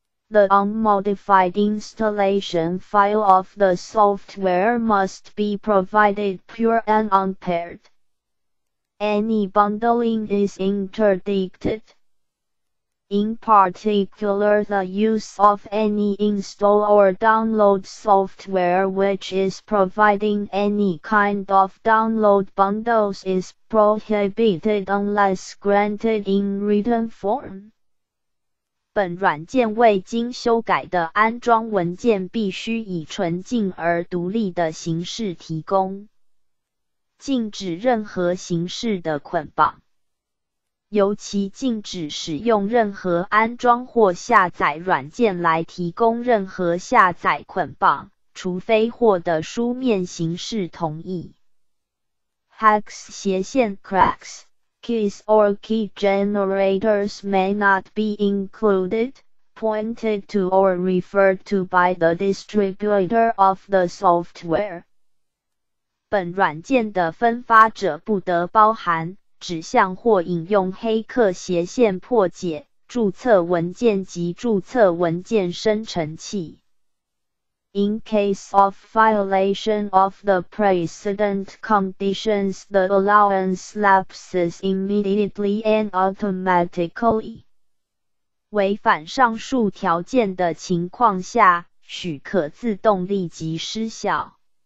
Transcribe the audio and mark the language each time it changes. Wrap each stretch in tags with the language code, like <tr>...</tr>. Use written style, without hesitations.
<en>The unmodified installation file of the software must be provided pure and unpaired. Any bundling is interdicted. In particular, the use of any install or download software which is providing any kind of download bundles is prohibited unless granted in written form.</en> <zh>本软件未经修改的安装文件必须以纯净而独立的形式提供，禁止任何形式的捆绑，尤其禁止使用任何安装或下载软件来提供任何下载捆绑，除非获得书面形式同意。</zh> <en>Hex/Cracks Keys or key generators may not be included, pointed to or referred to by the distributor of the software.</en> <zh>本软件的分发者不得包含、指向或引用黑客斜线破解、注册文件及注册文件生成器。</zh> <en>In case of violation of the precedent conditions, the allowance lapses immediately and automatically.</en> <zh>违反上述条件的情况下，许可自动立即失效。</zh>